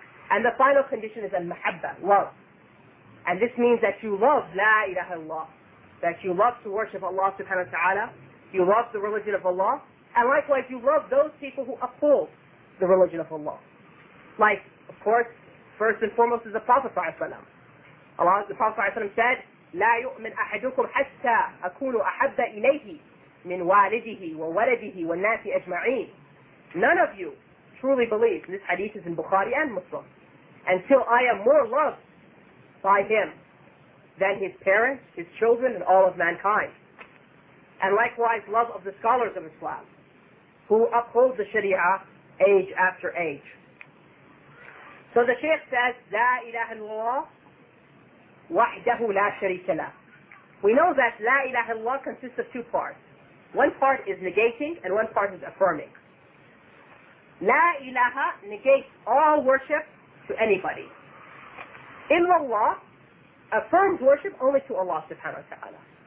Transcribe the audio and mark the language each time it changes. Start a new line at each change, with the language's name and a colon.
English: And the final condition is al-mahabba, love. And this means that you love la ilaha illallah, that you love to worship Allah subhanahu wa ta'ala, you love the religion of Allah, And likewise, you love those people who uphold the religion of Allah. Like, of course, first and foremost is the Prophet ﷺ. Allah, the Prophet ﷺ said,
Arabic: لا يؤمن أحدكم حتى أكون أحب إليه من والده وولده والناس أجمعين.
English: None of you truly believe, this hadith is in Bukhari and Muslim, until I am more loved by him than his parents, his children, and all of mankind. And likewise, love of the scholars of Islam, who uphold the Sharia age after age. So the Shaykh says,
Arabic: لا إله إلا الله وحده لا شريك له.
English: We know that
Arabic: لا إله إلا الله
English: consists of two parts. One part is negating, and one part is affirming. La ilaha negates all worship to anybody. Illallah affirms worship only to Allah subhanahu wa ta'ala.